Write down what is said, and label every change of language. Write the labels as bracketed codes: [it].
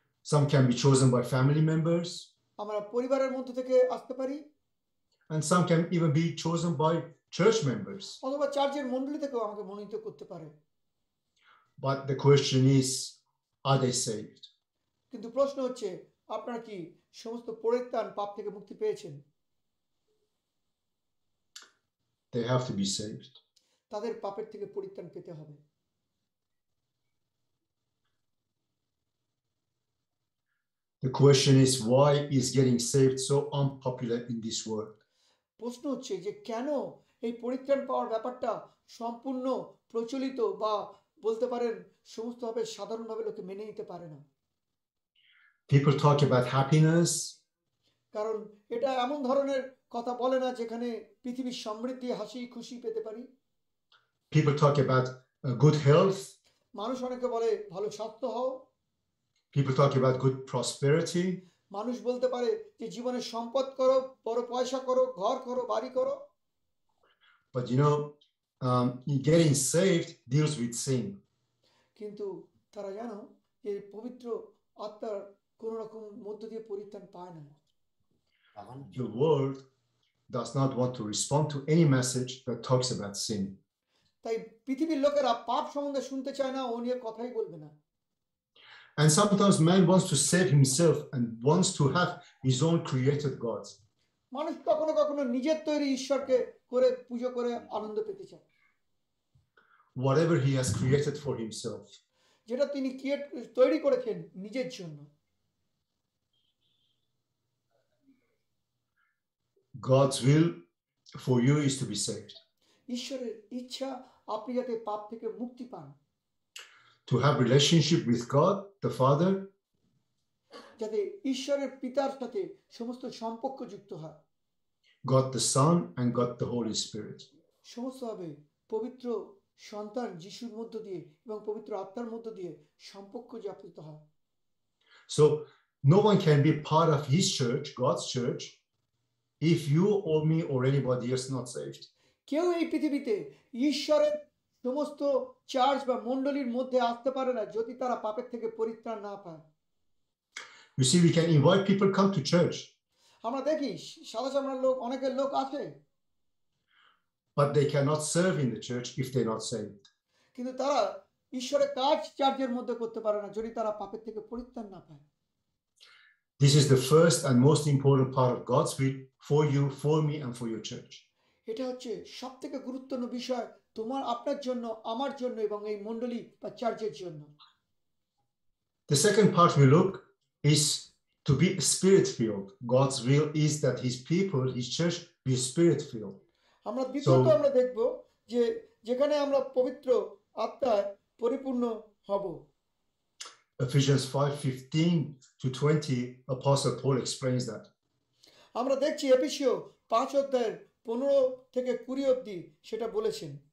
[en] Some can be chosen by family members. [bn] আমরা পরিবারের মধ্য থেকে আসতে পারি। [en] And some can even be chosen by church members. [bn] অথবা চার্চের মণ্ডলী থেকেও আমাকে মনোনীত করতে পারে। [en] But the question is, are they saved? [bn] কিন্তু প্রশ্ন হচ্ছে, আপনারা কি সমস্ত পরিত্রাণ পাপ থেকে মুক্তি পেয়েছেন? [en] They have to be saved. [bn] তাদের পাপের থেকে পরিত্রাণ পেতে হবে। [en] The question is, why is getting saved so unpopular in this world? [bn] প্রশ্ন হচ্ছে যে কেন এই পরিত্রাণ পাওয়ার ব্যাপারটা সম্পূর্ণ প্রচলিত বা বলতে পারেন সমস্তভাবে সাধারণভাবে লোকে মেনে নিতে পারে না। [en] People talk about happiness. [bn] কারণ এটা এমন ধরনের কথা বলে না যেখানে পৃথিবীর সমৃদ্ধি হাসি খুশি পেতে পারি। [en] People talk about good health. [bn] মানুষ অনেকে বলে ভালো স্বাস্থ্য হও। [en] People talk about good prosperity. [bn] মানুষ বলতে পারে যে জীবনে সম্পদ করো, বড় পয়সা করো, ঘর করো, বাড়ি করো। [en] But you know, getting saved deals with sin. [bn] কিন্তু তারা জানো যে পবিত্র আত্মার কোন রকম মধ্য দিয়ে পরিত্রাণ পায় না। [en] The world does not want to respond to any message that talks about sin. [bn] তাই পৃথিবীর লোকেরা পাপ সম্বন্ধে শুনতে চায় না, ও নিয়ে কথাই বলবে না। [en] And sometimes man wants to save himself and wants to have his own created gods. [bn] মানুষ কখনো কখনো নিজের তৈরি ঈশ্বরকে করে পূজো করে আনন্দ পেতে চায়। [en] Whatever he has created for himself. [bn] যেটা তিনি ক্রিয়েট তৈরি করেছেন নিজের জন্য। [en] God's will for you is to be saved. [bn] ঈশ্বরের ইচ্ছা আপনি যাতে পাপ থেকে মুক্তি পান। [en] To have relationship with God, the Father. [bn] যাতে ঈশ্বরের পিতার সাথে সমস্ত সম্পর্ক যুক্ত হয়। [en] God the Son and God the Holy Spirit. [bn] সমস্তভাবে পবিত্র সন্তান যিশুর মধ্য দিয়ে এবং পবিত্র আত্মার মধ্য দিয়ে সম্পর্ক যাপিত হয়। [en] So no one can be part of His church, God's church, if you or me or anybody else not saved. [bn] কেউ এই পৃথিবীতে ঈশ্বরের সমস্ত চার্চ বা মণ্ডলীর মধ্যে আসতে পারে না যদি তারা পাপের থেকে পরিত্রাণ না পায়। [en] You see, we can invite people come to church. [bn] আমরা দেখি সাধারণ লোক অনেক লোক আসে। [en] But they cannot serve in the church if they're not saved. [bn] কিন্তু তারা ঈশ্বরের কাজ চার্চের মধ্যে করতে পারে না যদি তারা পাপের থেকে পরিত্রাণ না পায়। [en] This is the first and most important part of God's will for you, for me, and for your church. [bn] এটা হচ্ছে সবথেকে গুরুত্বপূর্ণ বিষয় তোমার আপনার জন্য আমার জন্য এবং এই মণ্ডলী বা চার্চের জন্য। [en] The second part we look is to be spirit-filled. God's will is that His people, His church, be spirit-filled. [bn] আমরা দ্বিতীয়ত আমরা দেখব যে যেখানে আমরা পবিত্র আত্মায় পরিপূর্ণ হব। [en] Ephesians 5:15 to 20, Apostle Paul explains that. [bn] আমরা দেখছি এফেসীয় 5 অধ্যায়ের 15 থেকে 20 অবধি সেটা বলেছেন।